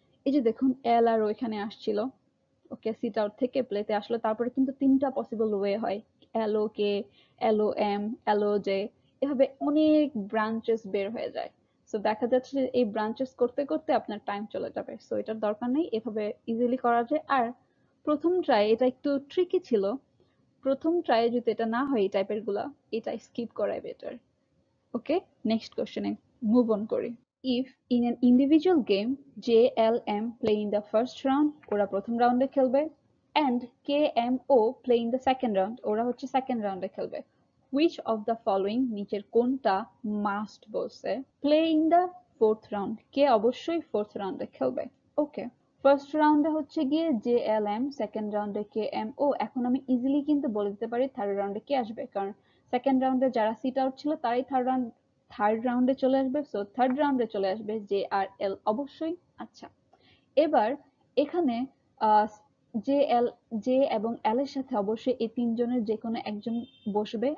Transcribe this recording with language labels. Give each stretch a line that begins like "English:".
Bangla: এই যে দেখুন এল আর ও এখানে আসছিল, ওকে সিট আউট থেকে প্লেতে আসলো, তারপরে কিন্তু তিনটা পসিবল ওয়ে হয়, এলও কে, এলও এম, এলও জে, এভাবে অনেক ব্রাঞ্চেস বের হয়ে যায়, সো দেখা যাচ্ছে যে এই ব্রাঞ্চেস করতে করতে আপনার টাইম চলে যাবে, সো এটার দরকার নেই, এভাবে ইজিলি করা যায়। আর প্রথম ট্রাই এটা একটু ট্রিকি ছিল, প্রথম ট্রাইয়ে যদি এটা না হয় এই টাইপের গুলো এটা স্কিপ করাই বেটার। ওকে, নেক্সট কোশ্চেনে মুভ অন করি।
English: If in an individual game, J, L, M play in the first round,
Bangla: ওরা প্রথম রাউন্ডে খেলবে,
English: and K, M, O play in the second round,
Bangla: ওরা হচ্ছে
English: second
Bangla: রাউন্ডে খেলবে,
English: which of the following,
Bangla: নিচের কোনটা
English: must
Bangla: বলছে,
English: play in the fourth round,
Bangla: কে অবশ্যই
English: fourth রাউন্ডে খেলবে।
Bangla: ওকে, first রাউন্ডে হচ্ছে গিয়ে J, L, M, second রাউন্ডে K, M, O, এখন আমি ইজিলি কিন্তু বলে দিতে পারি third রাউন্ডে কে আসবে, কারণ second রাউন্ডে যারা সিট আউট ছিল তারাই থার্ড রাউন্ডে চলে আসবে, সো থার্ড রাউন্ডে চলে আসবে জে আর এল অবশ্যই। আচ্ছা এবার এখানে জে এল, জে এবং এল এর সাথে অবশ্যই এই তিনজনের যে কোনো একজন বসবে।